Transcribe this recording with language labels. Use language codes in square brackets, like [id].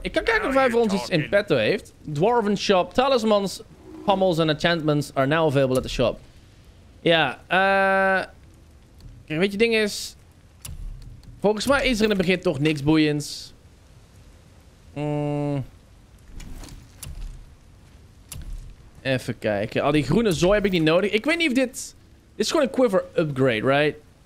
[nl] Ik kan kijken of hij voor ons iets in petto heeft. [en] Dwarven shop, talismans. Pommels and enchantments are now available at the shop. [nl] Ja, yeah, weet je, ding is... Volgens mij is er in het begin toch niks boeiends. Even kijken. Al die groene zooi heb ik niet nodig. Ik weet niet of dit... Dit is gewoon een quiver upgrade, right?